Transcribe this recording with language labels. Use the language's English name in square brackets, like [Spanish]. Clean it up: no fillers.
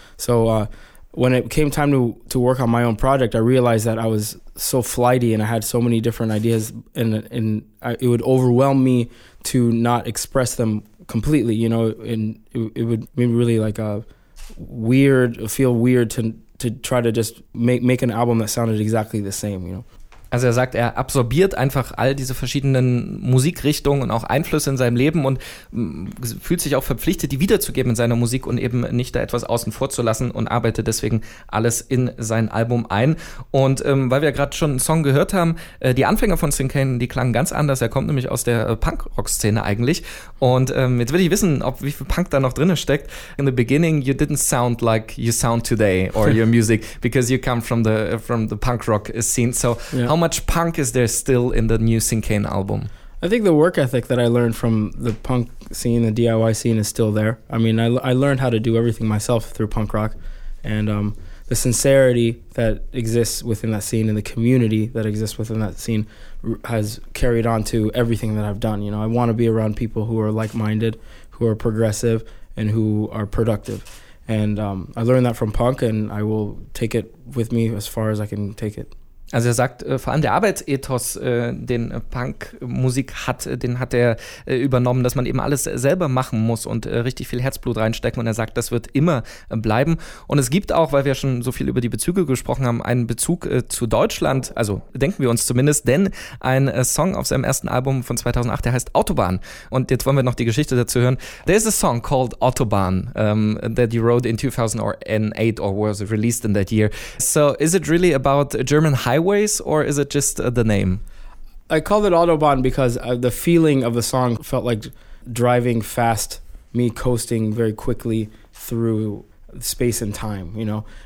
[English] So when it came time to work on my own project, I realized that I was so flighty and I had so many different ideas, and it would overwhelm me to not express them completely, you know, and it would be really like a weird, feel weird to try to just make an album that sounded exactly the same, you know. [German] Also er sagt, er absorbiert einfach all diese verschiedenen Musikrichtungen und auch Einflüsse in seinem Leben und fühlt sich auch verpflichtet, die wiederzugeben in seiner Musik und eben nicht da etwas außen vor zu lassen und arbeitet deswegen alles in sein Album ein. Und weil wir gerade schon einen Song gehört haben, die Anfänger von Syncane, die klangen ganz anders. Er kommt nämlich aus der Punk-Rock-Szene eigentlich. Und jetzt will ich wissen, wie viel Punk da noch drin steckt. [English] In the beginning, you didn't sound like you sound today or your music, because you come from the Punk-Rock-Scene. So, yeah. How much punk is there still in the new Syncane album? I think the work ethic that I learned from the punk scene, the DIY scene, is still there. I mean, I learned how to do everything myself through punk rock. And the sincerity that exists within that scene and the community that exists within that scene has carried on to everything that I've done. You know, I want to be around people who are like-minded, who are progressive, and who are productive. And I learned that from punk, and I will take it with me as far as I can take it. [German] Also er sagt, vor allem der Arbeitsethos, den Punkmusik hat, den hat er übernommen, dass man eben alles selber machen muss und richtig viel Herzblut reinstecken. Und er sagt, das wird immer bleiben. Und es gibt auch, weil wir schon so viel über die Bezüge gesprochen haben, einen Bezug zu Deutschland, also denken wir uns zumindest, denn ein Song auf seinem ersten Album von 2008, der heißt Autobahn. Und jetzt wollen wir noch die Geschichte dazu hören. [English] There is a song called Autobahn that you wrote in 2008 or was released in that year. So is it really about German highways, or is it just the name? I called it Autobahn because the feeling of the song felt like driving fast, me coasting very quickly through space and time, you know.